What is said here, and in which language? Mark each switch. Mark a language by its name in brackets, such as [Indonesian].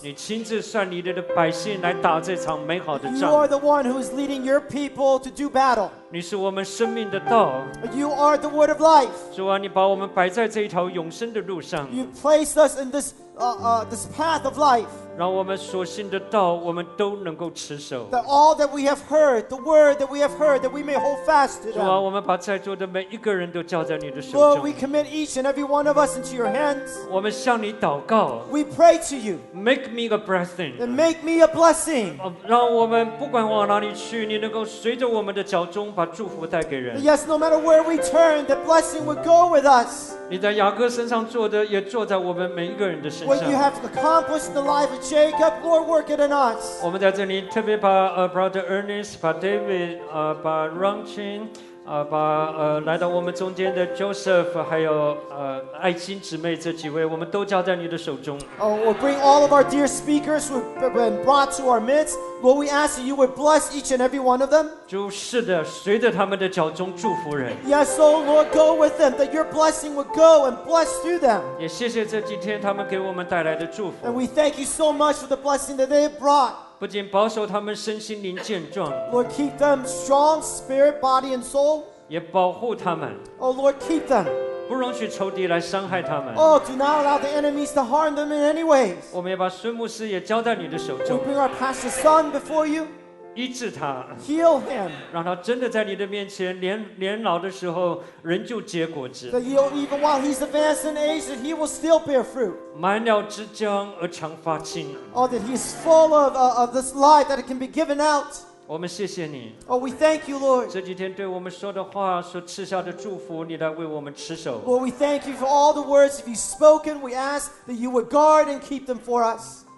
[Chinese] 你亲自率你的百姓来打这场美好的仗。 [English] You are the one who is leading your people to do battle. [Chinese] 你是我们生命的道。 [English] You are the word of life. [Chinese] 主啊，你把我们摆在这一条永生的路上。 [English] You placed us in this, this path of life. [Chinese] 让我们所信的道，我们都能够持守。 [English] That all that we have heard, the word that we have heard, that we may hold fast to them. [Chinese] 主啊，我们把在座的每一个人都交在你的手中。 [English] Lord, we commit each and every one of us into your hands. [Chinese] 我们向你祷告。 [English] We pray to you. Make me a blessing. And make me a blessing. [Chinese] 让我们不管往哪里去，你能够随着我们的脚中把祝福带给人。 [English] Yes, no matter where we turn, the blessing would go with us. [Chinese] 你在雅各身上做的，也做在我们每一个人的身上。 [English] What you have accomplished in the life of Jacob, Lord, work it in us. [Chinese] 我们在这里特别把Brother Ernest, 把 David, 把 Ron Chin, 把来到我们中间的 Joseph, 还有爱心姊妹这几位，我们都交在你的手中。 [English] Oh, we'll bring all of our dear speakers who have been brought to our midst. Lord, we ask that you would bless each and every one of them. [Chinese] 主是的，随着他们的脚中祝福人。 [English] Yes, oh Lord, go with them, that your blessing would go and bless through them. [Chinese] 也谢谢这几天他们给我们带来的祝福。 [English] And we thank you so much for the blessing that they brought. [Chinese] 不仅保守他们身心灵健壮 [English] Lord, keep them strong, spirit, body, and soul. [Chinese] 也保护他们 [English] Oh, Lord, keep them. [Chinese] 不容许仇敌来伤害他们 [English] Oh, do not allow the enemies to harm them in any ways. [Chinese] 我们也把孙牧师也交在你的手中 [English] We bring our pastor's son before you. [Chinese] 医治他 [English] Heal him. [Chinese] 让他真的在你的面前 年老的时候仍旧结果子 [English] That he'll, even while he's advanced in age, that he will still bear fruit. [Chinese] 满了之江而常发青 [English] Oh, that he's full of, of this light that it can be given out. [Chinese] 我们谢谢你 [English] Oh, we thank you, Lord. [Chinese] 这几天对我们说的话所赐下的祝福你来为我们持守 [English] Lord, we thank you for all the words that you've spoken. We ask that you would guard and keep them for us.